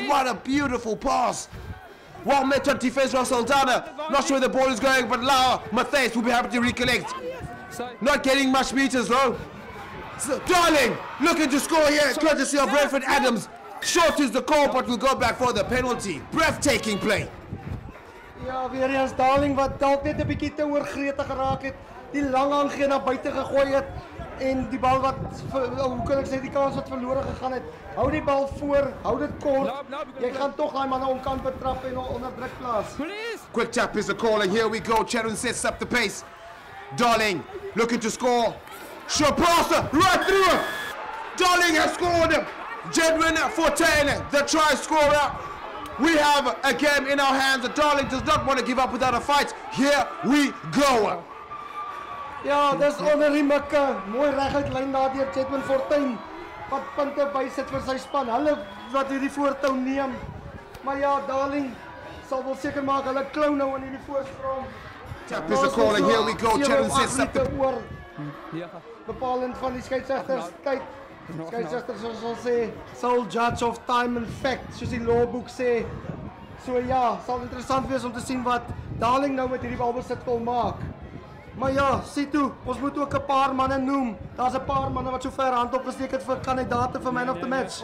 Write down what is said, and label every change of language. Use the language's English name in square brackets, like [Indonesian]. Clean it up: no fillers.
[English] What a beautiful pass. Well met on defense from Saldanha. Not sure where the ball is going, but Lau Mathias will be happy to recollect. Not getting much meters though. So, Darling, looking to score here, courtesy of Redford Adams. Short is the call, but we'll go back for the penalty. Breathtaking play. [Afrikaans] Ja, weer eens Darling wat dalk net 'n bietjie te oorgretig geraak het, die lang aangeen na buite gegooi het en die bal wat hoe kan ek sê die kans wat verlore gegaan het. Hou die bal voor, hou dit kort. Jy gaan tog daai manne omkant betrap en onder druk plaas. [English] Quick tap is the call and here we go. Cheren sets up the pace. Darling, looking to score. Shapasa right through. Darling has scored. Jedwin Fortein, the try scorer. We have a game in our hands. Darling does not want to give up without a fight. Here we go. [Afrikaans] Ja, dis onderimakke. Mooi reguit lyn daar deur Jedwin Fortein. Wat punte bysit vir sy span. Hulle wat hierdie voortou neem. Maar ja, Darling sal wel seker maak hulle klou nou in hierdie voorsprong. [English] Tap is a call and here we go. Jedwin sets up the [Afrikaans] oor. Ja. Bepalend van die skeidsregters tyd. Skeidsregters sal sê sal [English] judge of time and fact, [Afrikaans] soos die lawboek sê. So ja, sal interessant wees om te sien wat Darling nou met hierdie bal besit wil maak. Maar ja, sien toe, ons moet ook 'n paar manne noem. Daar's 'n paar manne wat so ver hand opgesteek het vir kandidaate vir man of the match.